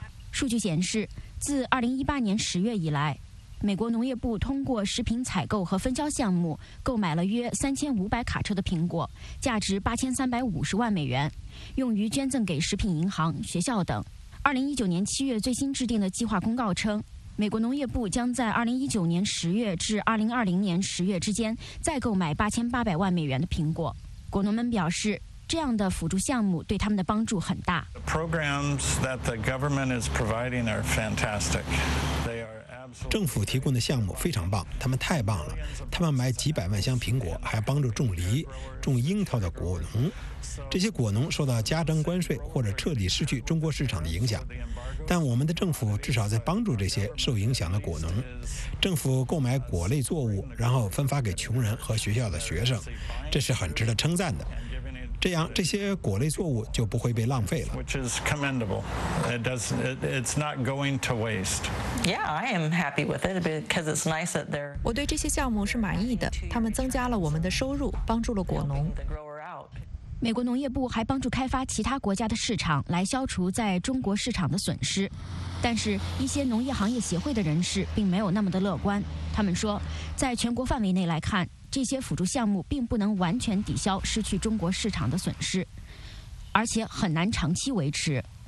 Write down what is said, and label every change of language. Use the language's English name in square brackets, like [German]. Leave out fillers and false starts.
[Chinese] 数据显示，自2018年10月以来，美国农业部通过食品采购和分销项目购买了约3500卡车的苹果，价值8350万美元，用于捐赠给食品银行、学校等。 2019年7月最新制定的计划公告称，美国农业部将在2019年10月至2020年10月之间再购买8800万美元的苹果。果农们表示，这样的辅助项目对他们的帮助很大。 [English] The programs that the government is providing are fantastic. They are... [Chinese] 政府提供的项目非常棒，他们太棒了，他们买几百万箱苹果，还帮助种梨、种樱桃的果农。这些果农受到加征关税或者彻底失去中国市场的影响，但我们的政府至少在帮助这些受影响的果农。政府购买果类作物，然后分发给穷人和学校的学生，这是很值得称赞的。这样，这些果类作物就不会被浪费了。 [English] Which is commendable. It's not going to waste. Yeah, I am happy with it because it's nice that they're. [Chinese] 我对这些项目是满意的，他们增加了我们的收入，帮助了果农。美国农业部还帮助开发其他国家的市场，来消除在中国市场的损失。但是，一些农业行业协会的人士并没有那么的乐观。他们说，在全国范围内来看，这些辅助项目并不能完全抵消失去中国市场的损失，而且很难长期维持。